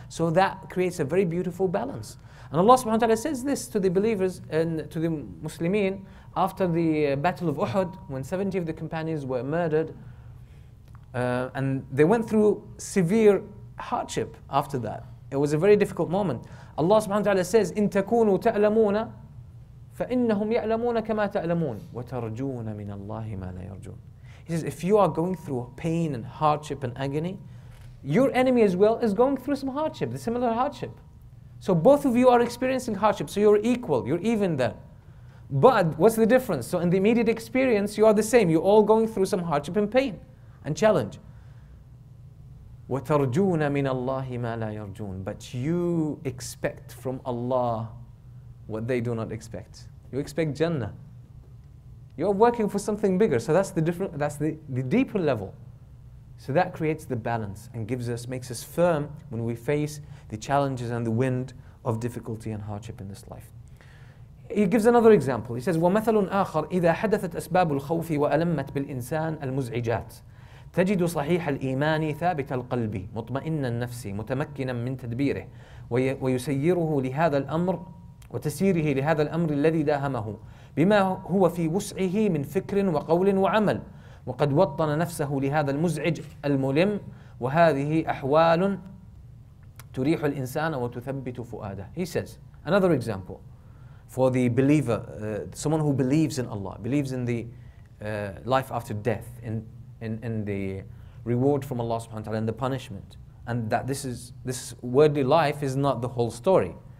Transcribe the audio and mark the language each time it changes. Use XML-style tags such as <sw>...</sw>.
<en>So that creates a very beautiful balance. And Allah subhanahu wa ta'ala says this to the believers and to the Muslimin after the battle of Uhud, when 70 of the companions were murdered, and they went through severe hardship after that. It was a very difficult moment. Allah subhanahu wa ta'ala says,</en> <ar>إِن تَكُونُوا تَأْلَمُونَ فَإِنَّهُمْ يَعْلَمُونَ كَمَا تَعْلَمُونَ وَتَرْجُونَ مِنَ اللَّهِ مَا لَا يَرْجُونَ.</ar> <en>He says, if you are going through pain and hardship and agony, your enemy as well is going through some hardship, the similar hardship. So both of you are experiencing hardship, so you're equal, you're even there. But what's the difference? So in the immediate experience, you are the same. You're all going through some hardship and pain and challenge.</en> <ar>وَتَرْجُونَ مِنَ اللَّهِ مَا لَا يَرْجُونَ.</ar> <en>But you expect from Allah what they do not expect. You expect Jannah. You're working for something bigger. So that's the different. That's the deeper level. So that creates the balance and makes us firm when we face the challenges and the wind of difficulty and hardship in this life. He gives another example. He says,</en> <ar>وَمَثَلٌ آخَرٌ إِذَا حَدَثَتْ أَسْبَابُ الْخَوْفِ وَأَلَمَّتْ بِالْإِنسَانِ الْمُزْعِجَاتِ تَجِدُ صَحِيحَ الْإِيمَانِ ثَابِتَ الْقَلْبِ مُطْمَئِنَّ النَّفْسِ مُتَمَكِّنًا مِنْ تَدْبِيرِهِ وَيُسَيِّرُهُ لِهَذَا الْأَمْرِ وتسيره لهذا الأمر الذي داهمه بما هو في وسعه من فكر وقول وعمل وقد وطن نفسه لهذا المزعج الملم وهذه أحوال تريح الإنسان وتثبت فؤاده.</ar> <en>He says, another example for the believer, someone who believes in Allah, believes in the life after death, in the reward from Allah subhanahu wa ta'ala and the punishment, and that this worldly life is not the whole story.</en>